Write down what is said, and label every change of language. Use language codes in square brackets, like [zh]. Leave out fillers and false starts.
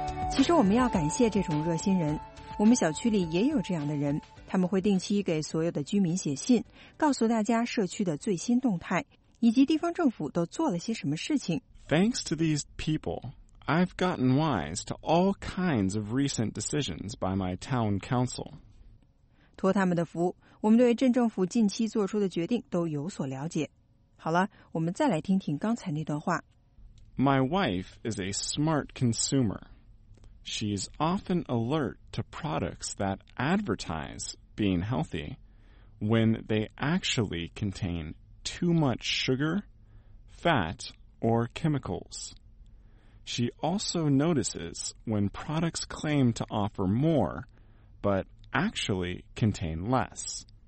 [zh] 其实我们要感谢这种热心人，我们小区里也有这样的人。他们会定期给所有的居民写信，告诉大家社区的最新动态，以及地方政府都做了些什么事情。 [en] Thanks to these people, I've gotten wise to all kinds of recent decisions by my town council. [zh] 托他们的福，我们对镇政府近期做出的决定都有所了解。好了，我们再来听听刚才那段话。 [en] My wife is a smart consumer. She's often alert to products that advertise being healthy when they actually contain too much sugar, fat, or chemicals. She also notices when products claim to offer more, but actually contain less.